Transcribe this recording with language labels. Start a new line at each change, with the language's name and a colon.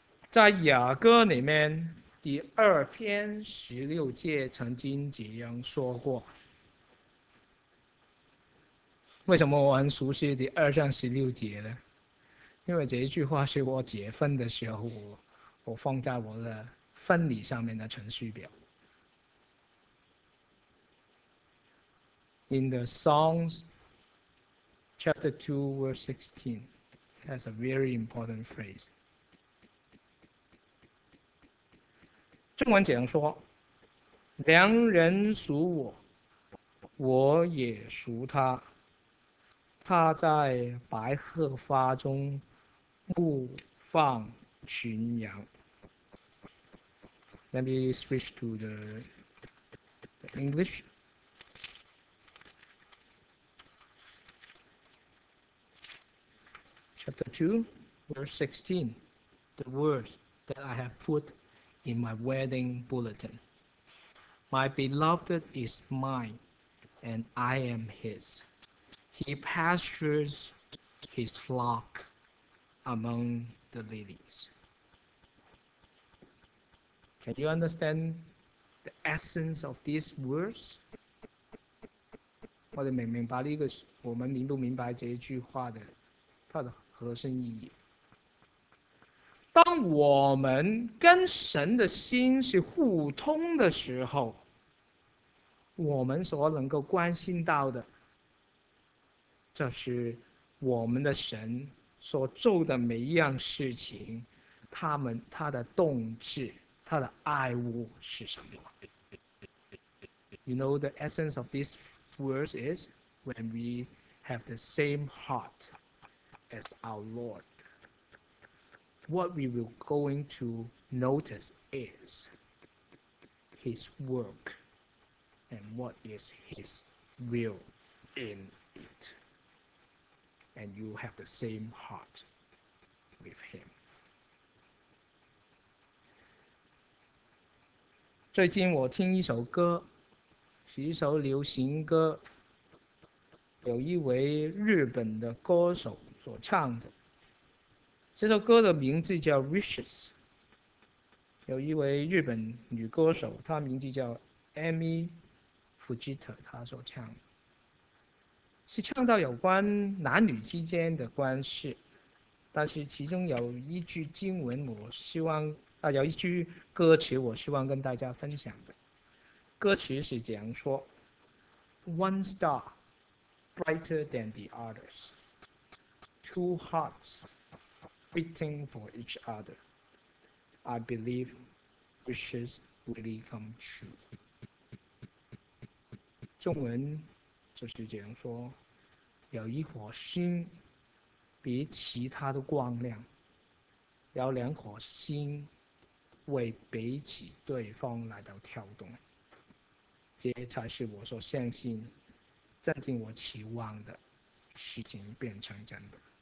Chinese: 在雅歌里面，第二篇十六节曾经这样说过，为什么我很熟悉第二章十六节呢？因为这一句话是我结婚的时候，我放在我的婚礼上面的程序表。
English: In the Songs, chapter 2, verse 16, has a very important phrase.
Chinese: 中文讲说，良人属我，我也属他，他在白鹤发中牧放群羊。
English: Let me switch to the English. Chapter 2, verse 16, the words that I have put in my wedding bulletin. My beloved is mine, and I am his. He pastures his flock among the lilies. Can you understand the essence of these words?
Chinese: 我们明白这一句话的核心意义。当我们跟神的心是互通的时候，我们所能够关心到的，就是我们的神所做的每一样事情，他的动机，他的爱物是什么。
English: You know the essence of these words is when we have the same heart as our Lord. What we will going to notice is his work and what is his will in it. And you have the same heart with him.
Chinese: 最近我听一首歌，是一首流行歌，有一位日本的歌手所唱的。这首歌的名字叫 Wishes， 有一位日本女歌手，她名字叫 Amy Fujita， 她所唱的，是唱到有关男女之间的关系，但是其中有一句经文我希望，有一句歌词我希望跟大家分享的，歌词是这样说 ，
English: One star brighter than the others， Two hearts。 Waiting for each other, I believe wishes really come true.
Chinese: 中文就是这样说：有一颗心比其他的光亮，有两颗心为彼此对方来到跳动。这才是我所相信、正经我期望的事情变成真的。